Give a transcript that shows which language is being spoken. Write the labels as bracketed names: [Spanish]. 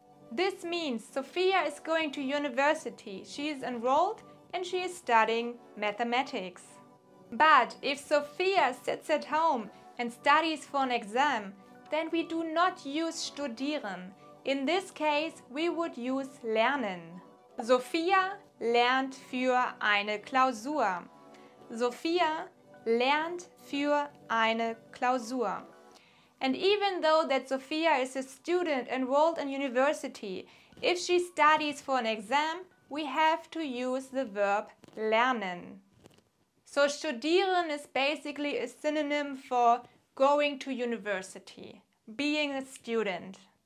[English] This means Sophia is going to university. She is enrolled and she is studying mathematics. But if Sophia sits at home and studies for an exam, then we do not use studieren. In this case, we would use lernen. [German] Sophia lernt für eine Klausur. Sophia lernt für eine Klausur. [English] And even though that Sophia is a student enrolled in university, if she studies for an exam, we have to use the verb lernen. So studieren is basically a synonym for going to university, being a student.